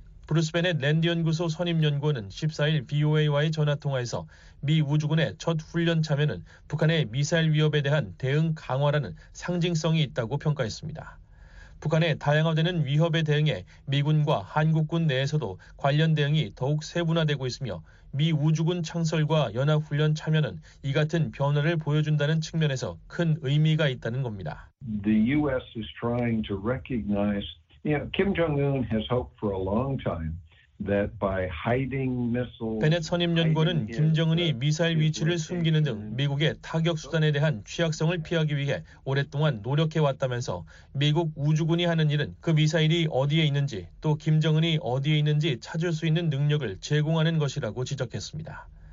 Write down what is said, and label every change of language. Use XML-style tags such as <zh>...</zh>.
<ko>브루스베넷 랜드연구소 선임연구원은 14일 BOA와의 전화통화에서 미 우주군의 첫 훈련 참여는 북한의 미사일 위협에 대한 대응 강화라는 상징성이 있다고 평가했습니다. 북한의 다양화되는 위협에 대응해 미군과 한국군 내에서도 관련 대응이 더욱 세분화되고 있으며 미 우주군 창설과 연합훈련 참여는 이 같은 변화를 보여준다는 측면에서 큰 의미가 있다는 겁니다.</ko> <en>The U.S. is trying to recognize, you know, Kim Jong-un has hoped for a long time.</en> <ko>베넷 선임연구원은 김정은이 미사일 위치를 숨기는 등 미국의 타격수단에 대한 취약성을 피하기 위해 오랫동안 노력해왔다면서 미국 우주군이 하는 일은 그 미사일이 어디에 있는지 또 김정은이 어디에 있는지 찾을 수 있는 능력을 제공하는 것이라고 지적했습니다.</ko>